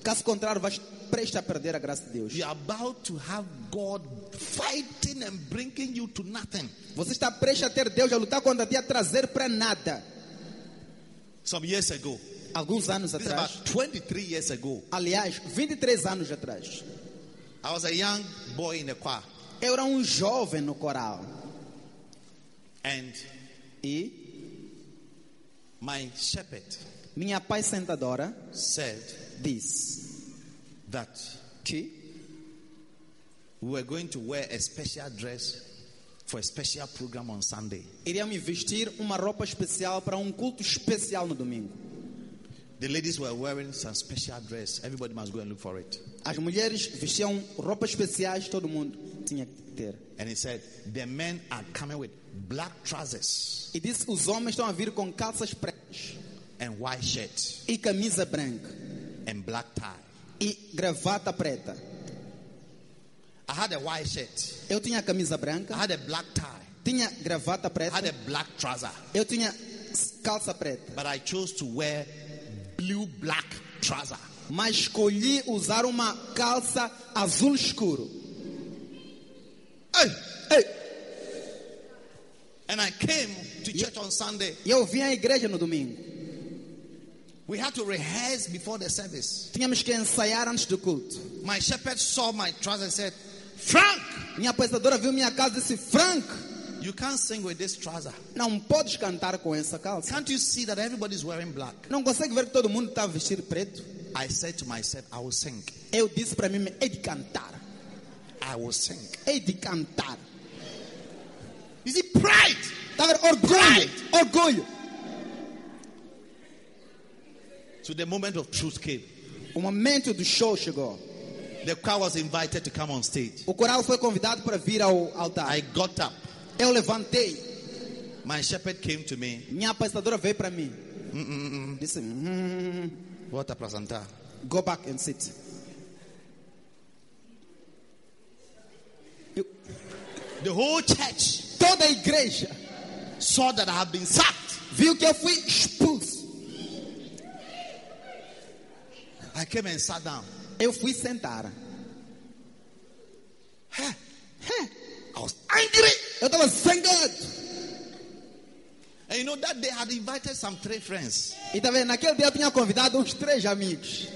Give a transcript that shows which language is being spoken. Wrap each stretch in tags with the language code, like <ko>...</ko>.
<pt>Caso contrário, vais prestes a perder a graça de Deus.</pt> <en>You are about to have God fighting and bringing you to nothing.</en> <pt>Você está prestes a ter Deus a lutar contra ti a trazer para nada.</pt> <en>Some years ago.</en> <pt>Alguns anos atrás.</pt> <en>About 23 years ago.</en> <pt>Aliás, 23 anos atrás.</pt> <en>I was a young boy in the choir.</en> <pt>Eu era jovem no coral.</pt> <en>And my shepherd,</en> <pt>minha apacentadora,</pt> <en>said this, that</en> <pt>que</pt> <en>we were going to wear a special dress for a special program on Sunday.</en> <pt>Iríamos vestir uma roupa especial para culto especial no domingo.</pt> <en>The ladies were wearing some special dress. Everybody must go and look for it.</en> <pt>As mulheres vestiam roupas especiais, todo mundo tinha que ter.</pt> <en>And he said, the men are coming with black trousers.</en> <pt>E disse, os homens estão a vir com calças pretas.</pt> <en>And white shirt.</en> <pt>E camisa branca.</pt> <en>And black tie.</en> <pt>E gravata preta.</pt> <en>I had a white shirt.</en> <pt>Eu tinha camisa branca.</pt> <en>I had a black tie.</en> <pt>Tinha gravata preta.</pt> <en>I had a black trouser.</en> <pt>Eu tinha calça preta.</pt> <en>But I chose to wear blue black trouser.</en> <pt>Mas escolhi usar uma calça azul escuro. Ei, ei.</pt> <en>And I came to church on Sunday.</en> <pt>Eu vim à igreja no domingo.</pt> <en>We had to rehearse before the service.</en> <pt>Tínhamos que ensaiar antes do culto.</pt> <en>My shepherd saw my trouser and said, "Frank."</en> <pt>Minha apresentadora viu minha calça e disse, "Frank,</pt> <en>you can't sing with this trouser."</en> <pt>Não podes cantar com essa calça.</pt> <en>Can't you see that everybody's wearing black?</en> <pt>Não consegue ver que todo mundo está vestido preto?</pt> <en>I said to myself, "I will sing."</en> <pt>Eu disse para mim, hei de cantar.</pt> <en>I will sing.</en> <pt>Hei de cantar.</pt> <en>Is it pride?</en> <pt>Tá vendo? Orgulho.</pt> <en>Pride.</en> <pt>Orgulho.</pt> <en>So the moment of truth came.</en> <pt>O momento do show chegou.</pt> <en>The choir was invited to come on stage.</en> <pt>O coral foi convidado para vir ao altar.</pt> <en>I got up.</en> <pt>Eu levantei.</pt> <en>My shepherd came to me.</en> <pt>Minha apacentadora veio para mim. Disse, "Volta para sentar."</pt> <en>Go back and sit. The whole church,</en> <pt>toda a igreja,</pt> <en>saw that I have been sacked.</en> <pt>Viu que eu fui expulso.</pt> <en>I came and sat down.</en> <pt>Eu fui sentar.</pt> <en>I was angry.</en> <pt>Eu estava zangado.</pt> <en>And you know that they had invited some three friends.</en> <pt>E tá vendo, naquele dia eu tinha convidado três amigos.</pt>